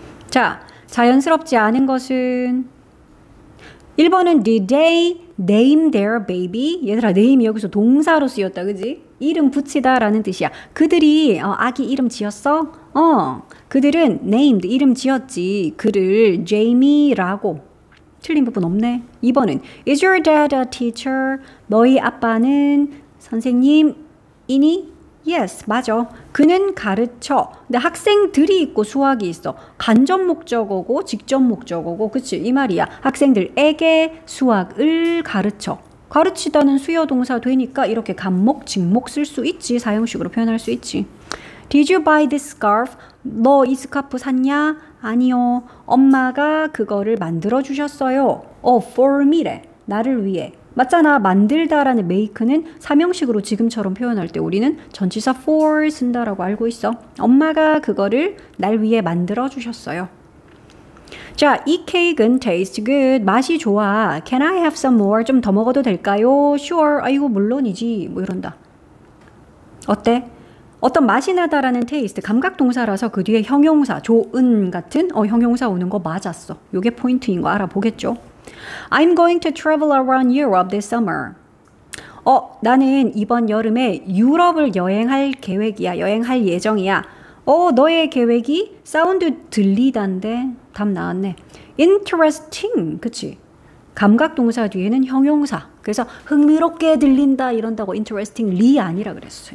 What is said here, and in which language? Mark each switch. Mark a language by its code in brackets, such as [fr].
[ko] 자, 자연스럽지 않은 것은 1번은 [en] did they name their baby? [ko] 얘들아, name이 여기서 동사로 쓰였다, 그지? 이름 붙이다 라는 뜻이야. 그들이 아기 이름 지었어? 어, 그들은 named, 이름 지었지. 그를 Jamie라고. 틀린 부분 없네. 2번은 [en] is your dad a teacher? [ko] 너희 아빠는 선생님이니? Yes, 맞아. 그는 가르쳐. 근데 학생들이 있고 수학이 있어. 간접 목적어고 직접 목적어고, 그치? 이 말이야. 학생들에게 수학을 가르쳐. 가르치다는 수여동사 되니까 이렇게 간목, 직목 쓸 수 있지. 사형식으로 표현할 수 있지. [en] Did you buy this scarf? [ko] 너 이 스카프 샀냐? 아니요. 엄마가 그거를 만들어주셨어요. For me래. 나를 위해. 맞잖아. 만들다라는 make는 3형식으로 지금처럼 표현할 때 우리는 전치사 for 쓴다라고 알고 있어. 엄마가 그거를 날 위해 만들어주셨어요. 자, 이 케이크는 [en] taste good. [ko] 맛이 좋아. [en] Can I have some more? [ko] 좀 더 먹어도 될까요? [en] Sure. [ko] 아이고, 물론이지. 뭐 이런다. 어때? 어떤 맛이 나다라는 taste. 감각동사라서 그 뒤에 형용사, 좋은 같은 형용사 오는 거 맞았어. 요게 포인트인 거 알아보겠죠? [en] I'm going to travel around Europe this summer. [ko] 나는 이번 여름에 유럽을 여행할 계획이야. 여행할 예정이야. 너의 계획이 사운드 들리단데. 답 나왔네. Interesting. 그치? 감각동사 뒤에는 형용사. 그래서 흥미롭게 들린다 이런다고 interestingly 아니라 그랬어.